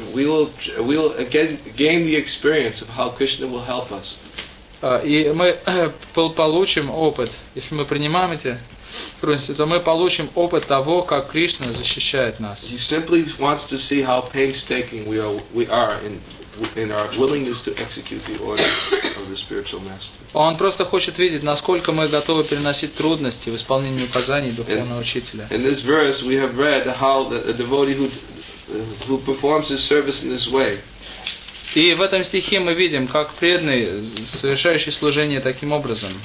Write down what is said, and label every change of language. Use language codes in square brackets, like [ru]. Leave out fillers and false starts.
[en] We will gain the experience of how Krishna will help us. [ru] И мы получим опыт, если мы принимаем эти трудности, то мы получим опыт того, как Кришна защищает нас. [en] He simply wants to see how painstaking we are in our willingness to execute the order of the spiritual master. [ru] Он просто хочет видеть, насколько мы готовы переносить трудности в исполнении указаний духовного учителя. [en] In this verse we have read how the devotee who performs his service in this way. [ru] И в этом стихе мы видим, как преданный, совершающий служение таким образом,